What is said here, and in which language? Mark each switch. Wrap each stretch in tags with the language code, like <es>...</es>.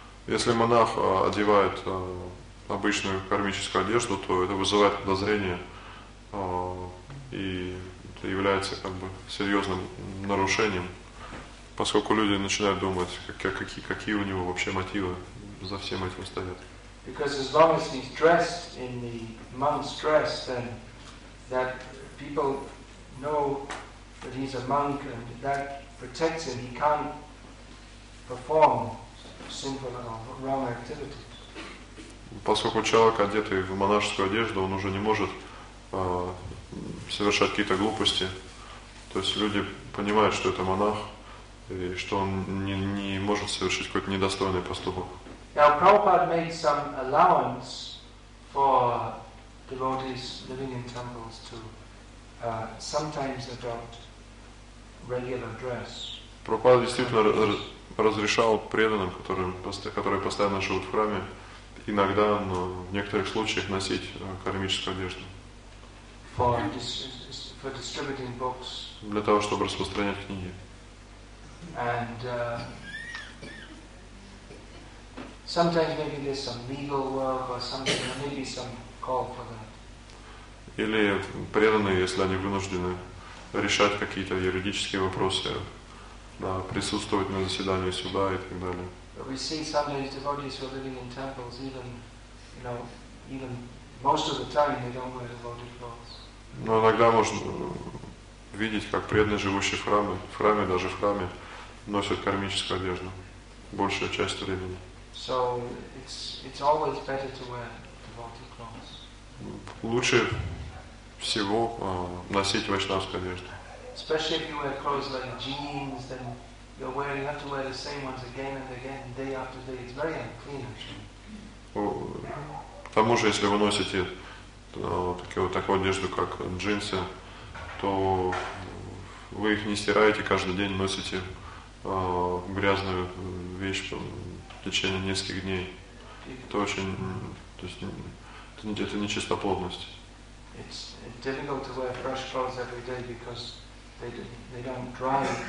<ru>Если монах одевает обычную кармическую одежду, то это вызывает подозрение и это является как бы серьезным нарушением, поскольку люди начинают думать, какие у него вообще мотивы за всем этим стоят.</ru> <en>Because as long as he's dressed in the monk's dress, then that people know that he's a monk and that protects him. He can't perform sinful or wrong activities.</en> <ru>Поскольку человек, одетый в монашескую одежду, он уже не может совершать какие-то глупости. То есть люди понимают, что это монах, и что он не может совершить какой-то недостойный поступок.</ru> <en>Now, Prabhupada made some allowance for devotees living in temples to sometimes adopt regular dress.</en> <ru>Прабхупада действительно разрешал преданным, которые постоянно живут в храме, иногда, но в некоторых случаях носить кармическую одежду.</ru> <en>For distributing books.</en> <ru>Для того, чтобы распространять книги.</ru> <en>And sometimes maybe there's some legal work or something, or maybe some call for that.</en> <ru>Или преданные, если они вынуждены решать какие-то юридические вопросы, да, присутствовать на заседании суда и так далее.</ru> <en>We see sometimes devotees who are living in temples, even, you know, even most of the time they don't wear devotee clothes.</en> <ru>Но иногда можно видеть, как преданные, живущие в храме носят кармическую одежду большую часть времени.</ru> <en>So it's always better to wear devotee clothes.</en> <ru>Лучше всего носить вайшнавскую одежду.</ru> <en>Especially if you wear clothes like jeans, then you're wearing, you have to wear the same ones again and again, day after day. It's very unclean, actually.</en> <ru>К тому же, если вы носите такую одежду, как джинсы, то вы их не стираете каждый день, носите грязную вещь в течение нескольких дней. Это нечистоплотность.</ru> <en>It's difficult to wear fresh clothes every day because they don't dry.</en>